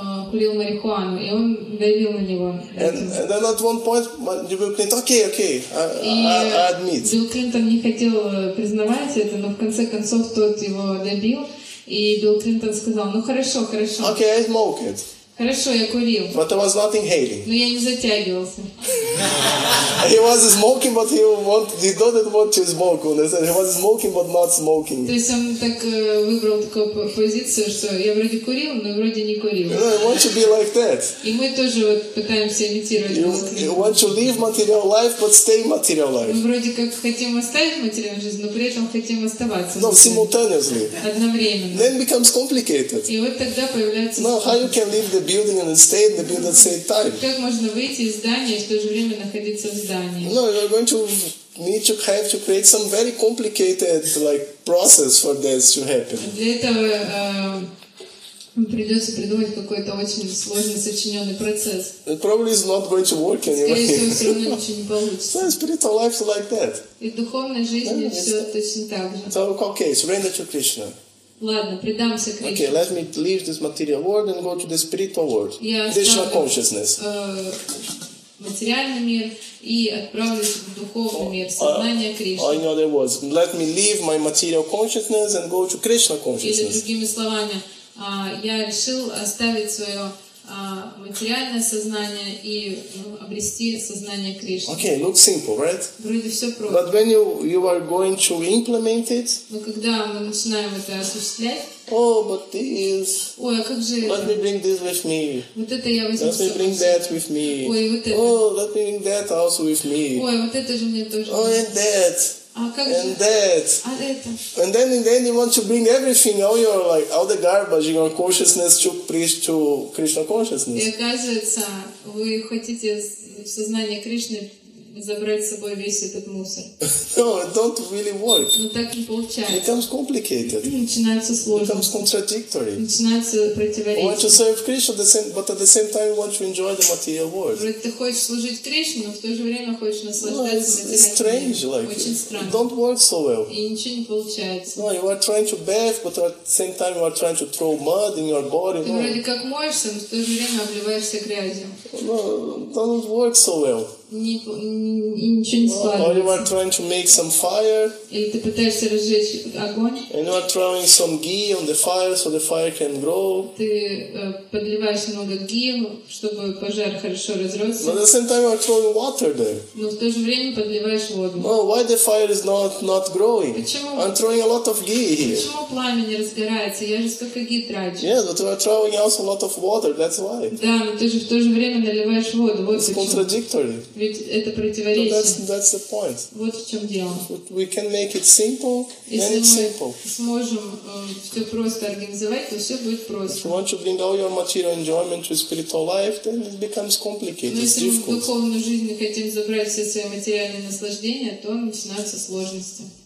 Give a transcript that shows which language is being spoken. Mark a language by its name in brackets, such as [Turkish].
[Russian] Курил марихуану, и он давил на него. [English] And then at one point, Bill Clinton, okay, I admit. [Russian] Билл Клинтон не хотел признавать это, но в конце концов тот его добил, и Билл Клинтон сказал, ну хорошо, хорошо. [English] Okay, I smoke it. [Russian] Хорошо, я курил. [English] But I was not inhaling. [Russian] Но я не затягивался. [English] He was smoking, but he didn't want to smoke. They said he was smoking, but not smoking. [Russian] То есть он так выбрал такую позицию, что я вроде курил, но вроде не курил. [English] You know, I want to be like that. [Russian] И мы тоже пытаемся имитировать. [English] You want to live material life, but stay material life. [Russian] Мы вроде как хотим оставить материальную жизнь, но при этом хотим оставаться. [English] No, simultaneously. [Russian] Одновременно. [English] Then becomes complicated. [Russian] И вот тогда появляется. [English] No, how you can leave the building and stay in the building at the same time? [Russian] Как можно выйти из здания и в то же время находиться в здании? [English] No, you're going to need to have to create some very complicated like process for this to happen. [Russian] Для этого придется придумать какой-то очень сложный сочиненный процесс. [English] It probably is not going to work anyway. [Russian] Скорее всего, все равно ничего не получится. [English] So spiritual life is like that. [Russian] И в духовной жизни все точно так же. [English] So okay, surrender to Krishna. [Russian] Ладно, предамся Кришне. [English] Okay, let me leave this material world and go to the spiritual world. Krishna consciousness. [Russian] Материальный мир и отправлюсь в духовный мир, сознание Кришны. [English] In other words, let me leave my material consciousness and go to Krishna consciousness. [Russian] Или другими словами, я решил оставить свое материальное сознание и обрести сознание Кришны. [English] Okay, looks simple, right? [Russian] Вроде все просто. [English] But when you are going to implement it, [Russian] но когда мы начинаем это осуществлять, [English] oh, but this. [Russian] Ой, а как же [English] let [Russian] это? [English] Me bring this with me. [Russian] Вот это я возьму. [English] Let me bring that with me. [Russian] Ой, вот это. [English] Oh, let me bring that also with me. [Russian] Ой, вот это же мне тоже. [English] Oh, and that. [Russian] А как [English] and [Russian] же? [English] That. [Russian] А это? [English] And then you want to bring everything, all your like all the garbage in your consciousness to Krishna consciousness. [Russian] И оказывается, вы хотите в сознание Кришны забрать с собой весь этот мусор. [English] No, it don't really work. [Russian] Но так не получается. [English] It becomes complicated. [Russian] Начинается сложно. [English] It becomes contradictory. [Russian] Начинается противоречие. [English] Want to serve Krishna, but at the same time want to enjoy the material world. [Russian] Вроде ты хочешь служить Кришне, но в то же время хочешь наслаждаться материальным. [English] It's strange, like. [Russian] Очень странно. [English] It don't work so well. [Russian] И ничего не получается. [English] No, you are trying to bathe, but at the same time you are trying to throw mud in your body. [Russian] Ты вроде как моешься, но в то же время обливаешься грязью. [English] No, don't work so well. Or you are trying to make some fire. [Russian] Или ты пытаешься разжечь огонь. [English] And you are throwing some ghee on the fire so the fire can grow. [Russian] Ты подливаешь много ghee, чтобы пожар хорошо разросся. [English] But at the same time you are throwing water there. [Russian] Но в то же время подливаешь воду. [English] No, why the fire is not growing? I'm throwing a lot of ghee here. [Russian] Почему пламя не разгорается? Я же столько ghee трачу. [English] Yeah, but you are throwing also a lot of water. That's why. [Russian] Да, но ты же в то же время наливаешь воду. Вот [English] it's contradictory. [Russian] Ведь это противоречие. [English] So that's the point. [Russian] Вот в чем дело. [English] We can make it simple, and it's simple. [Russian] Если мы сможем все просто организовать, то все будет просто. [English] If you want to bring all your material enjoyment to spiritual life, then it becomes complicated. [Russian] Но если мы в духовную жизнь не хотим забрать все свои материальные наслаждения, то начинаются сложности.